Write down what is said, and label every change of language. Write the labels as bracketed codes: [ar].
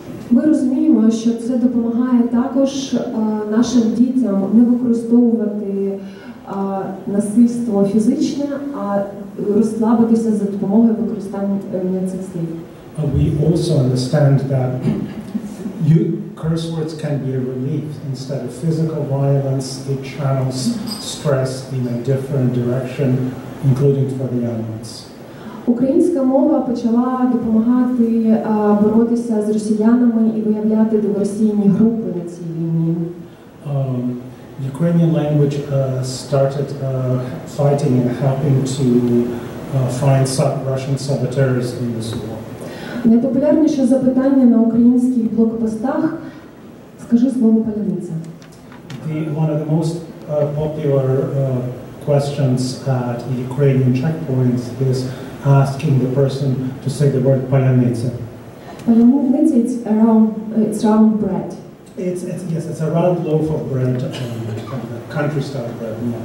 [uk] Ми розуміємо, що це допомагає також нашим дітям не використовувати насильство фізичне, а розслабитися за допомогою використання цих слів. [en] We also understand that you curse words can be a relief. Instead of physical violence, it channels stress in a different direction, including for the young ones. [uk] Українська мова почала допомагати боротися з росіянами і виявляти диверсійні групи на цій війні. [en] Ukrainian language started fighting and helping to find Russian saboteurs in this war. [uk] Найпопулярніше запитання на українських блокпостах – скажи слово «паляниця». [en] One of the most popular questions at Ukrainian checkpoints is asking the person to say the word polyanitsa. Polyanitsa, it's round bread. It's a round loaf of bread, country style bread.